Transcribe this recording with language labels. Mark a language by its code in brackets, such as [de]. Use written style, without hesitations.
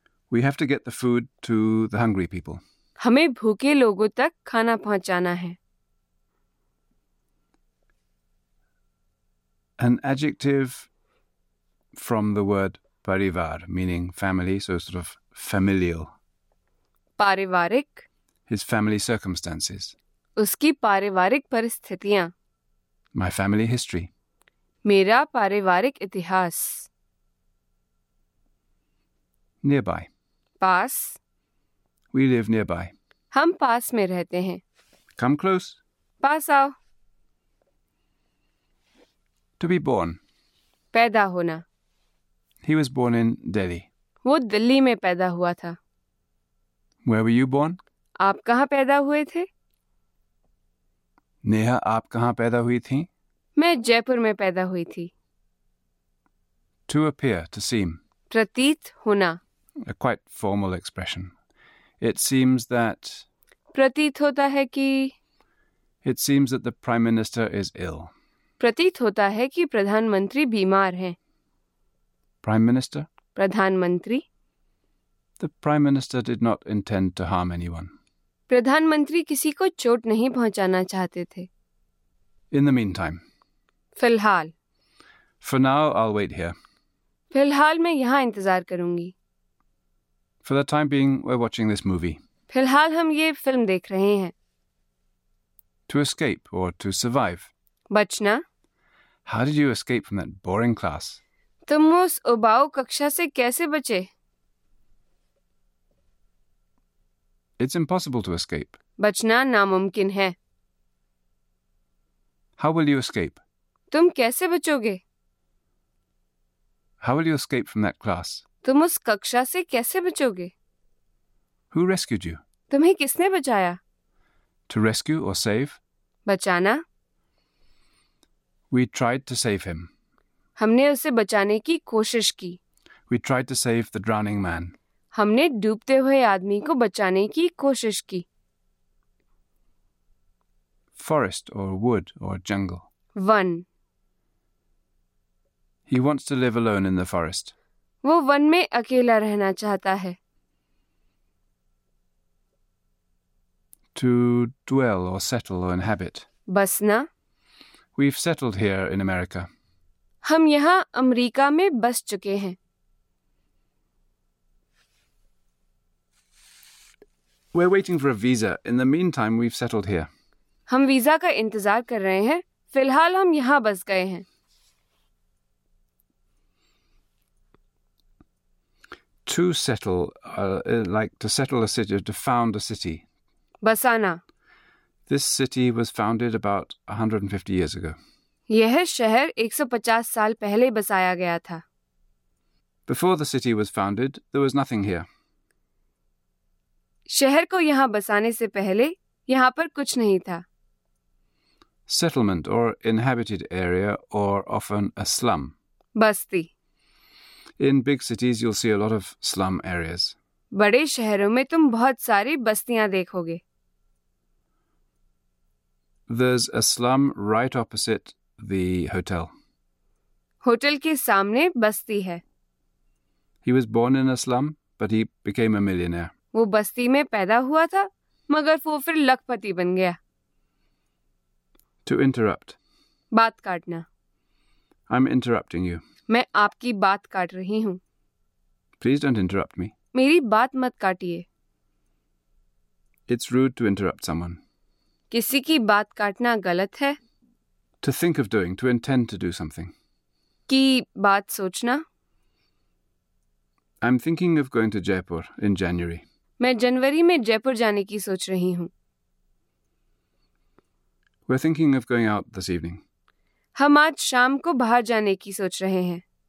[en] We have to get the food to the hungry people. [hi] हमें भूखे लोगों तक खाना पहुंचाना है. [en] An adjective from the word parivar, meaning family, so sort of familial. [hi] Parivarik. [en] His family circumstances. [hi] Uski parivarik paristhitiyan. [en] My family history. [hi] Mera parivarik itihas. [en] Nearby. [hi] Pass. [en] We live nearby. [hi] Hum pass mein rehte hain. [en] Come close. [hi] Pass aao. [en] To be born. [hi] पैदा होना. [en] He was born in Delhi. [hi] वो दिल्ली में पैदा हुआ था. [en] Where were you born? [hi] आप कहाँ पैदा हुए थे? नेहा, आप कहाँ पैदा हुई थी? मैं जयपुर में पैदा हुई थी. [en] To appear, to seem. [hi] प्रतीत होना. [en] A quite formal expression. It seems that. [hi] प्रतीत होता है कि. [en] It seems that the Prime Minister is ill. [hi] प्रतीत होता है कि प्रधानमंत्री बीमार हैं. [en] Prime Minister. [hi] प्रधानमंत्री. [en] The Prime Minister did not intend to harm anyone. [hi] प्रधानमंत्री किसी को चोट नहीं पहुंचाना चाहते थे. [en] In the meantime. [hi] फिलहाल. [en] For now, I'll wait here. [hi] फिलहाल मैं यहाँ इंतजार करूंगी. [en] For the time being, we're watching this movie. [hi] फिलहाल हम ये फिल्म देख रहे हैं. [en] To escape or to survive. [hi] बचना. [en] How did you escape from that boring class? [hi] तुम उस उबाऊ कक्षा से कैसे बचे? [en] It's impossible to escape. [hi] बचना नामुमकिन है. [en] How will you escape? [hi] तुम कैसे बचोगे? [en] How will you escape from that class? [hi] तुम उस कक्षा से कैसे बचोगे? [en] Who rescued you? [hi] तुम्हें किसने बचाया? [en] To rescue or save? [hi] बचाना. [en] We tried to save him. [hi] हमने उसे बचाने की कोशिश की. [en] We tried to save the drowning man. [hi] हमने डूबते हुए आदमी को बचाने की कोशिश की. [en] Forest or wood or jungle. [hi] One. [en] He wants to live alone in the forest. [hi] वो वन में अकेला रहना चाहता है. [en] To dwell or settle or inhabit. [hi] Basna. [en] We've settled here in America. [hi] हम यहाँ अमेरिका में बस चुके हैं. [en] We're waiting for a visa. In the meantime, we've settled here. [hi] हम वीजा का इंतजार कर रहे हैं. फिलहाल हम यहाँ बस गए हैं. [en] To settle, like to settle a city, to found a city. [hi] बसाना. [en] This city was founded about 150 years ago. [hi] यह शहर 150 साल पहले बसाया गया था. [en] Before the city was founded, there was nothing here. [hi] शहर को यहाँ बसाने से पहले यहाँ पर कुछ नहीं था. [en] Settlement or inhabited area or often a slum. [hi] Basti. [en] In big cities, you'll see a lot of slum areas. [hi] बड़े शहरों में तुम बहुत सारी बस्तियां देखोगे. [en] There's a slum right opposite the hotel. [hi] Hotel के सामने बस्ती है. [en] He was born in a slum, but he became a millionaire. [hi] वो बस्ती में पैदा हुआ था, मगर वो फिर लखपति बन गया. [en] To interrupt. [hi] बात काटना. [en] I'm interrupting you. [hi] मैं आपकी बात काट रही हूँ. [en] Please don't interrupt me. [hi] मेरी बात मत काटिए. [en] It's rude to interrupt someone. [hi] किसी की बात काटना गलत है. [en] To think of doing, to intend to do something. [hi] की बात सोचना. [en] I'm thinking of going to Jaipur in January. [hi] मैं जनवरी में जयपुर जाने की सोच रही हूँ. [en] We're thinking of going out this evening. [hi] हम आज शाम को बाहर जाने की सोच रहे हैं.